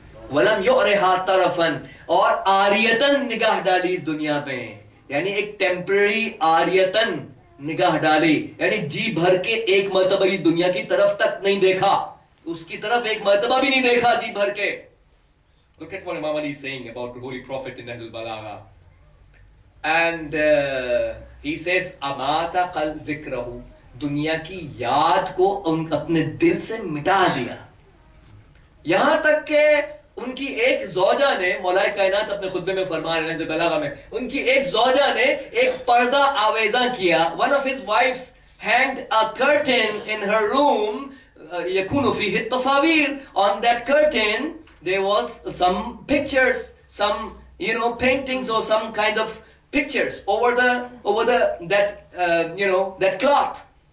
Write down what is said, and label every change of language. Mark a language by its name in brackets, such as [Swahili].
[Arabic] ولم يعرها طرفا, [Urdu] اور آریتن نگاہ ڈالی اس دنیا پہ, یعنی ایک temporary آریتن نگاہ ڈالی, یعنی جی بھر کے ایک مرتبہ ہی دنیا کی طرف تک نہیں دیکھا, اس کی طرف ایک مرتبہ بھی نہیں دیکھا جی بھر کے. [English] Look at what Imam Ali is saying about the Holy Prophet in Nahjul Balagha. And he says, [Arabic] amata qal zikrahu, [Urdu] دنیا کی یاد کو ان اپنے دل سے مٹا دیا, یہاں تک کہ ان کی ایک زوجہ نے, مولا کائنات اپنے خطبے میں فرما رہے ہیں جو بلاغہ میں, ان کی ایک زوجہ نے ایک پردہ آویزہ کیا, [English] one of his wives hanged a curtain in her room, [Arabic] يَكُونُ فِيهِ التَّصَاوِيرِ, [English] on that curtain there was some pictures, some, you know, paintings or some kind of pictures over that cloth.